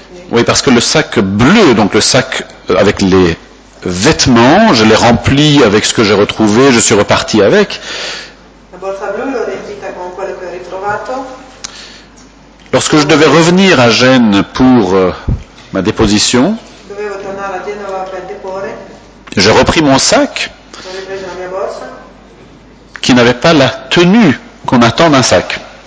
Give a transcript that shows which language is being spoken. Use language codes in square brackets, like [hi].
[fr] Oui, parce que le sac bleu, donc le sac avec les vêtements, je l'ai rempli avec ce que j'ai retrouvé, je suis reparti avec. [it] La borsa blu l'ho riempita con quello che ho ritrovato. [fr] Lorsque je devais revenir à Gênes pour ma déposition, [it] dovevo tornare a Genova per deporre. [fr] J'ai repris mon sac. [it] La mia borsa. [fr] Qui n'avait pas la tenue qu'on attend d'un sac.